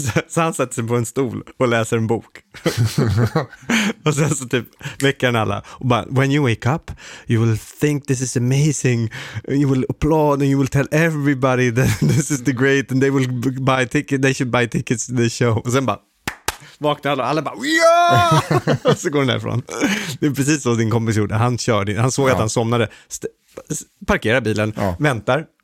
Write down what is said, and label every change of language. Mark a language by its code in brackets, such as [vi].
[sv] Så han sätter sig på en stol och läser en bok. Och sen så typ väcker han alla och bara, [en] when you wake up you will think this is amazing, you will applaud and you will tell everybody that this is the great and they will buy tickets, they should buy tickets to the show. [sv] Och sen bara vaknar alla bara, ja! Och så går han därifrån. Det är precis så din kompis gjorde. Han körde, han såg att han somnade, parkerar bilen, väntar.